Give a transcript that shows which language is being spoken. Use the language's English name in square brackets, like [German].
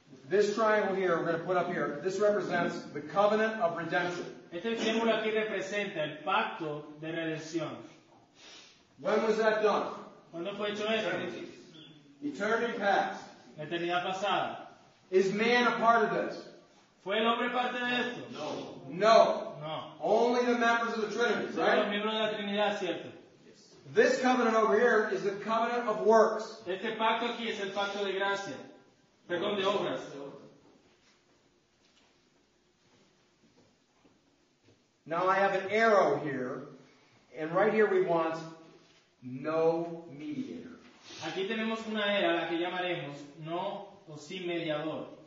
[English] This triangle here, we're going to put up here. This represents the covenant of redemption. [Spanish] Este símbolo aquí representa el pacto de redención. [English] When was that done? [Spanish] ¿Cuándo fue hecho eso? [English] Eternity past. [Spanish] Eternidad pasada. [English] Is man a part of this? [Spanish] ¿Fue el hombre parte de esto? [English] No. [Spanish] No. [English] Only the members of the Trinity, right? [Spanish] Solo los miembros de la Trinidad, ¿cierto? [English] This covenant over here is the covenant of works. [Spanish] Este pacto aquí es el pacto de gracia. Perdón, de obras. [English] Now I have an arrow here, and right here we want no mediator. [Spanish] Aquí tenemos una era a la que llamaremos no o sin mediador.